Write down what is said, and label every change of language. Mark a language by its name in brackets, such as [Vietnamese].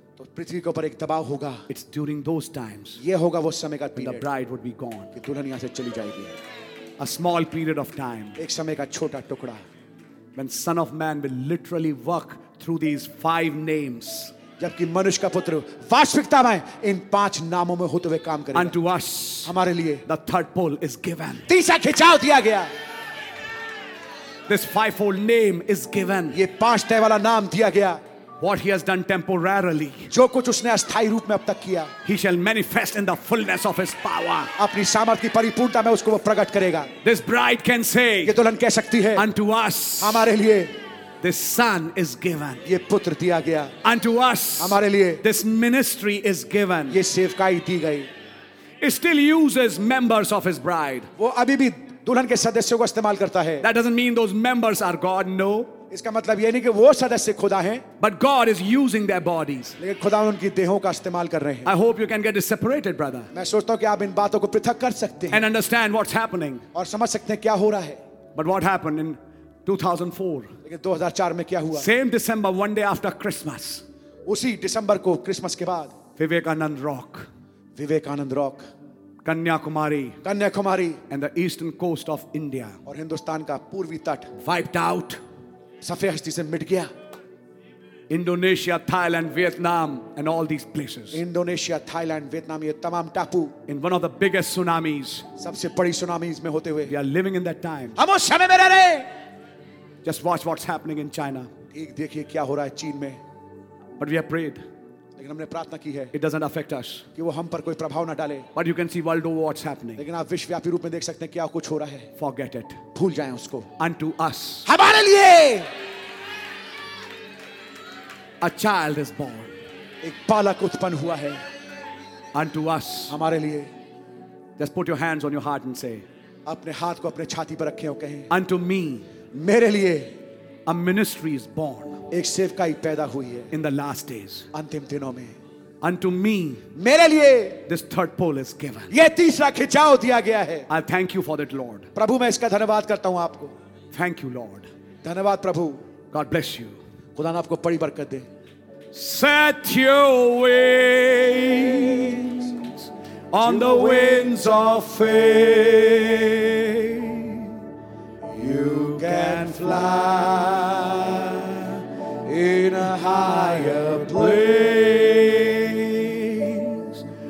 [Hindi] तो पृथ्वी के ऊपर एक दबाव होगा. [English] It's during those times. [Hindi] ये होगा वो समय का period. [English] The bride would be gone. [Hindi] कि दुल्हन यहाँ से चली जाएगी. [English] A small period of time. [Hindi] एक समय का छोटा टुकड़ा. [English] When Son of Man will literally work through these 5 names. [Hindi] जबकि मनुष्य का पुत्र वास्तविकता में इन 5 नामों में होते हुए काम करेगा. [English] Unto us, [Hindi] हमारे लिए, [English] the third pole is given. [Hindi] तीसरा खिंचाव दिया गया. [English] This fivefold name is given. [Hindi] ये 5 तह वाला नाम दिया गया. [English] What he has done temporarily, [Hindi] जो कुछ उसने अस्थाई रूप में अब तक किया, [English] he shall manifest in the fullness of his power. [Hindi] अपनी सामर्थ्य की परिपूर्णता में उसको वो प्रकट करेगा. [English] This bride can say, [Hindi] ये दुल्हन कह सकती है, [English] unto us, [Hindi] हमारे लिए, [English] this son is given, [Hindi] ये पुत्र दिया गया, [English] unto us, [Hindi] हमारे लिए, [English] this ministry is given, [Hindi] ये सेवकाई दी गई. [English] He still uses members of his bride. [Hindi] वो अभी भी दुल्हन के सदस्यों को इस्तेमाल करता है. [English] That doesn't mean those members are God. No. [Hindi] इसका मतलब ये नहीं कि वो सदस्य खुदा हैं, [English] but God is using their bodies. [Hindi] लेकिन खुदा उनकी देहों का इस्तेमाल कर रहे हैं. [English] I hope you can get this separated, brother. [Hindi] मैं सोचता हूँ कि आप इन बातों को पृथक कर सकते हैं. [English] And understand what's happening. [Hindi] और समझ सकते हैं क्या हो रहा है. [English] But what happened in 2004? [Hindi] लेकिन 2004 में क्या हुआ? [English] Same December, one day after Christmas. [Hindi] उसी दिसंबर को क्रिसमस के बाद. Vivekananda rock. Kanyakumari. [English] And the eastern coast of India. [Hindi] और हिंदुस्तान का पूर्वी तट. [English] Wiped out. [Hindi] सफेद हस्ती से मिट गया. [English] Indonesia, Thailand, Vietnam, and all these places. [Hindi] Indonesia, Thailand, Vietnam, ये तमाम टापू. [English] In one of the biggest tsunamis. [Hindi] सबसे बड़ी सुनामीज में होते हुए. [English] We are living in that time. [Hindi] हम उस समय में रह रहे. [English] Just watch what's happening in China. [Hindi] ठीक देखिए क्या हो रहा है चीन में. [English] But we have prayed. [Hindi] लेकिन हमने प्रार्थना की है. [English] It doesn't affect us. [Hindi] कि वो हम पर कोई प्रभाव ना डाले. [English] But you can see world over what's happening. [Hindi] लेकिन आप विश्वव्यापी रूप में देख सकते हैं क्या कुछ हो रहा है. [English] Forget it. [Hindi] भूल जाएं उसको. [English] Unto us. [Hindi] हमारे लिए. [English] A child is born. [Hindi] एक बालक उत्पन्न हुआ है. [English] Unto us. [Hindi] हमारे लिए. [English] Just put your hands on your heart and say. [Hindi] अपने हाथ को अपने छाती पर रखें और कहें. [English] Unto me. [Hindi] मेरे लिए. [English] A ministry is born. [Hindi] एक सेवकाई पैदा हुई है. [English] In the last days. [Hindi] अंतिम दिनों में. [English] Unto me. [Hindi] मेरे लिए. [English] This third pole is given. [Hindi] ये तीसरा खिंचाव दिया गया है. [English] I thank you for that, Lord. [Hindi] प्रभु मैं इसका धन्यवाद करता हूँ आपको. [English] Thank you, Lord. [Hindi] धन्यवाद प्रभु. [English] God bless you. [Hindi] खुदा ने आपको बड़ी बरकत दे. [English] Set your wings on the winds of faith. You can fly in a higher place.